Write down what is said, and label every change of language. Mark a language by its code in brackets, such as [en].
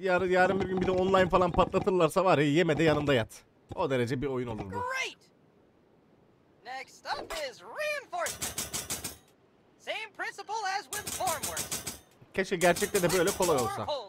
[tr] Yarın bir gün bir de online falan patlatırlarsa var ya, yeme de yanımda yat. O derece bir oyun olur bu. [en] Great. Next up is reinforcement. Same principle as with formwork. [tr] Keşke gerçekte de böyle kolay olsa.